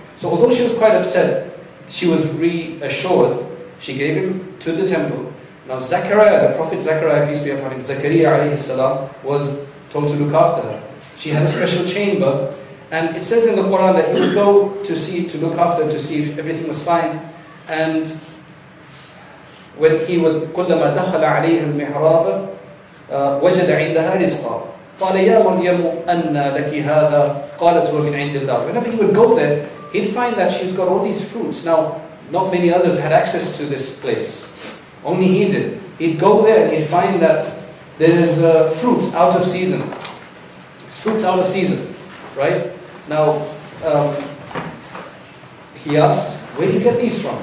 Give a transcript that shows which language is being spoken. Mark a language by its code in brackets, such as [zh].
[en] So although she was quite upset, she was reassured. She gave him to the temple. Now Zechariah, the Prophet Zechariah, peace be upon him, Zechariah alayhi salam, was told to look after her. She had a special chamber. And it says in the Quran that he would go to see, to look after, to see if everything was fine. And when he would, [ar] كُلَّمَا دَخَلَ عَلَيْهَا الْمِحْرَابَ وَجَدَ عِنْدَهَا رِزْقًا قَالَ يَا مَرْيَمُ أَنَّ لَكِ هَذَا قَالَتْ هُوَ مِنْ عِنْدِ اللَّهِ. [en] Whenever he would go there, he'd find that she's got all these fruits. Now, not many others had access to this place. Only he did. He'd go there and he'd find that there's fruit out of season. It's fruit out of season, right? Now, he asked, where do you get these from?